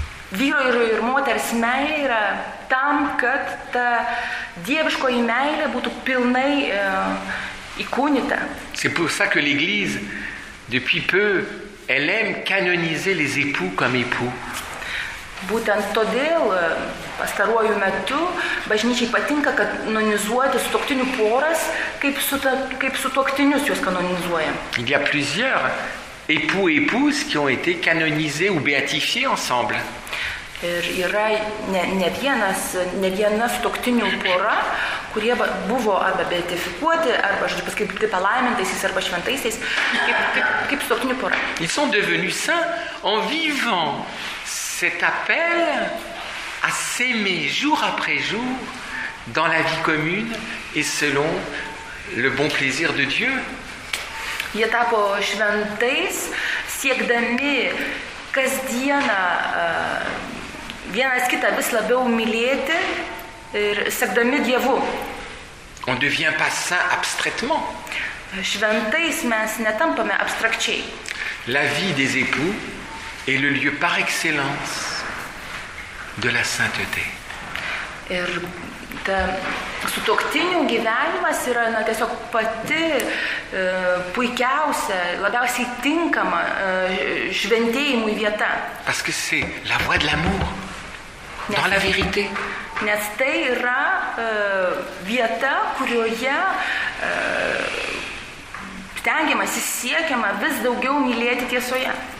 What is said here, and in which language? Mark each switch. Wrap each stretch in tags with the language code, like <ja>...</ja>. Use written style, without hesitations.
<lt>Vyro ir moters meilė yra tam, kad ta dieviškoji meilė būtų pilnai įkūnyta.</lt> <fr>C'est pour ça que l'Église, depuis peu, elle aime canoniser les époux comme époux.</fr> <lt>Būtent todėl, pastaruoju metu, bažnyčiai patinka kanonizuoti sutuoktinių poras, kaip sutuoktinius juos kanonizuoja.</lt> <fr>Il y a plusieurs époux et épouses qui ont été canonisés ou béatifiés ensemble.</fr> <lt>Ir yra ne viena sutuoktinių pora, kurie buvo arba beatifikuoti, arba, žodžiu, paskelbti palaimintaisiais arba šventaisiais, kaip sutuoktinių pora.</lt> <fr>Ils sont devenus saints en vivant cet appel à s'aimer jour après jour dans la vie commune et selon le bon plaisir de Dieu.</fr> <lt>Jie tapo šventais, siekdami kasdieną vienas kitą vis labiau mylėti ir sekdami Dievu.</lt> <fr>On devient pas saint abstraitement.</fr> <lt>Šventais mes netampame abstrakčiai.</lt> <fr>La vie des époux est le lieu par excellence de la sainteté.</fr> <lt>Ir ta sutuoktinių gyvenimas yra na, tiesiog pati puikiausia, labiausiai tinkama šventėjimui vieta.</lt> <fr>Parce que c'est la voie de l'amour dans la vérité.</fr> <lt>Nes tai yra vieta, kurioje stengiamasi, siekiama vis daugiau mylėti tiesoje.</lt>